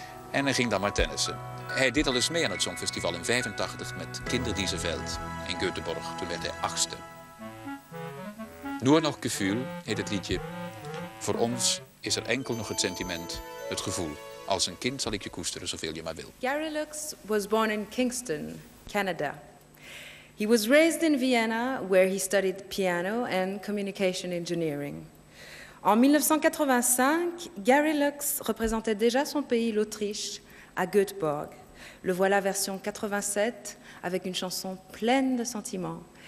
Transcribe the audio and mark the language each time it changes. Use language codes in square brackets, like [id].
[nl] En hij ging dan maar tennissen. Hij deed al eens mee aan het Songfestival in 85 met Kinderdiezenveld in Göteborg. Toen werd hij 8e. Nur noch Gefühl heet het liedje. Voor ons is er enkel nog het sentiment, het gevoel. Als een kind zal ik je koesteren zoveel je maar wil. [en] Gary Lux was born in Kingston, Canada. He was raised in Vienna, where he studied piano and communication engineering. [fr] En 1985, Gary Lux représentait déjà son pays, l'Autriche, à Göteborg. Le voilà version 87, avec une chanson pleine de sentiments.